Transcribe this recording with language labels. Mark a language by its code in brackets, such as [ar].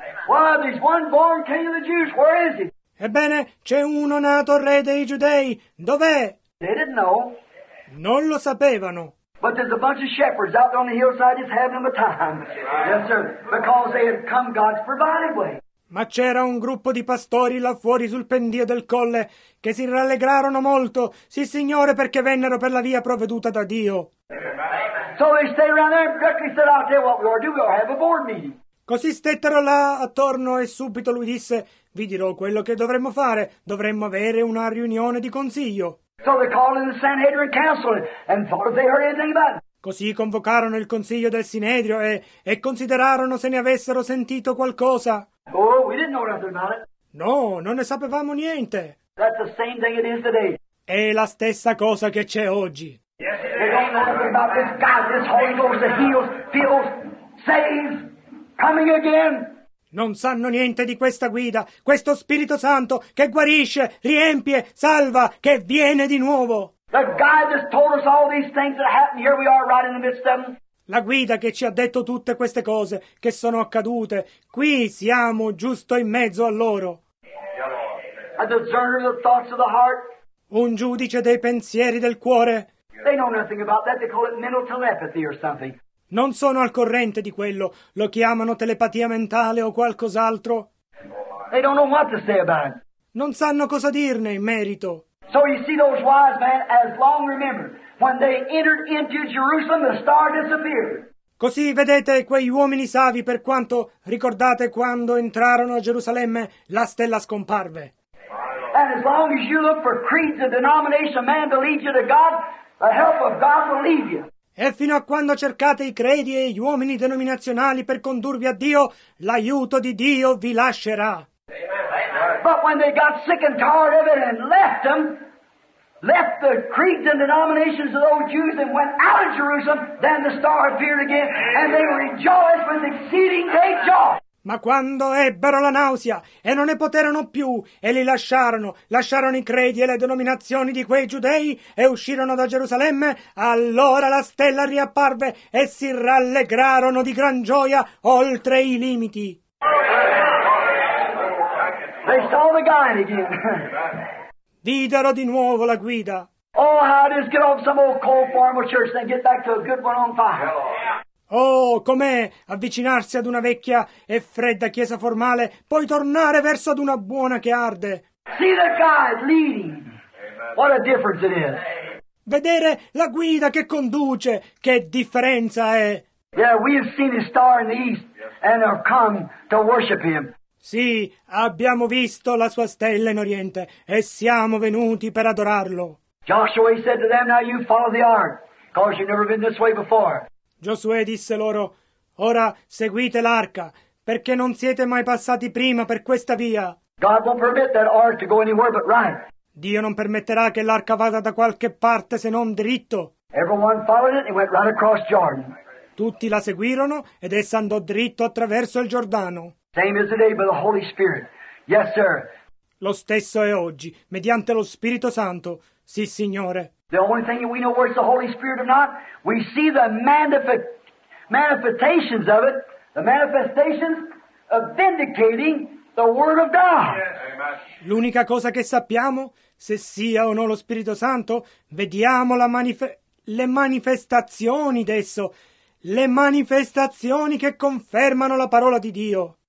[en] Well, there's one born king of the Jews. Where is he? [it] Ebbene, c'è uno nato re dei Giudei. Dov'è? [en] They didn't know. [it] Non lo sapevano. [en] But there's a bunch of shepherds out on the hillside just having a time. Yes, sir. Because they had come God's provided way. [it] Ma c'era un gruppo di pastori là fuori sul pendio del colle che si rallegrarono molto, sì signore, perché vennero per la via provveduta da Dio. [en] So they stay around there and directly said, I'll tell you what we ought to do, we ought to have a board meeting. [it] Così stettero là attorno e subito lui disse, vi dirò quello che dovremmo fare, dovremmo avere una riunione di consiglio. [en] So they called in the Sanhedrin Council and thought if they heard anything about it. [it] Così convocarono il consiglio del Sinedrio e considerarono se ne avessero sentito qualcosa. [en] Oh, we didn't know nothing about it. [it] No, non ne sapevamo niente. [en] That's the same thing it is today. [it] È la stessa cosa che c'è oggi. [en] They don't know anything about this God, this Holy Ghost that heals, fills, saves, coming again. [it] Non sanno niente di questa guida, questo Spirito Santo che guarisce, riempie, salva, che viene di nuovo. [en] The God that told us all these things that happened, here we are right in the midst of them. [it] La guida che ci ha detto tutte queste cose che sono accadute, qui siamo giusto in mezzo a loro. [en] A discerner of the thoughts of the heart. [it] Un giudice dei pensieri del cuore. [en] They know nothing about that. They call it mental telepathy or something. [it] Non sono al corrente di quello. Lo chiamano telepatia mentale o qualcos'altro. [en] They don't know what to say about it. [it] Non sanno cosa dirne in merito. [en] So you see those wise men as long remembered. When they entered into Jerusalem, the star disappeared. [it] Così vedete quegli uomini savi per quanto ricordate quando entrarono a Gerusalemme, la stella scomparve. [en] And as long as you look for creeds and denominations of man to lead you to God, the help of God will leave you. [it] E fino a quando cercate i credi e gli uomini denominazionali per condurvi a Dio, l'aiuto di Dio vi lascerà. [en] But when they got sick and tired of it and left them, left the creeds and denominations of those Jews and went out of Jerusalem, then the star appeared again and they rejoiced with exceeding great joy. [it] Ma quando ebbero la nausea e non ne poterono più e li lasciarono i credi e le denominazioni di quei giudei e uscirono da Gerusalemme, allora la stella riapparve e si rallegrarono di gran gioia oltre i limiti. [en] They saw the guide again. [it] Videro di nuovo la guida. [en] Oh, how it is, get off some old cold formal church and get back to a good one on fire. [it] Oh, com'è avvicinarsi ad una vecchia e fredda chiesa formale, poi tornare verso ad una buona che arde. [en] See the guide leading. What a difference it is. [it] Vedere la guida che conduce, che differenza è. [en] Yeah, we have seen his star in the east and have come to worship him. [it] Sì, abbiamo visto la sua stella in oriente e siamo venuti per adorarlo. [en] Joshua said to them, now you follow the ark, because you've never been this way before. [it] Giosuè disse loro, ora seguite l'arca, perché non siete mai passati prima per questa via. [en] God won't permit that ark to go anywhere but right. [it] Dio non permetterà che l'arca vada da qualche parte se non dritto. [en] Everyone followed it and went right across Jordan. [it] Tutti la seguirono ed essa andò dritto attraverso il Giordano. [en] Same as today by the Holy Spirit. Yes, sir. [it] Lo stesso è oggi, mediante lo Spirito Santo. Sì, Signore. [en] The only thing we know where's the Holy Spirit or not, we see the manifestations of it, the manifestations of vindicating the Word of God. Yes. [it] L'unica cosa che sappiamo, se sia o no lo Spirito Santo, vediamo la le manifestazioni d'esso, le manifestazioni che confermano la parola di Dio.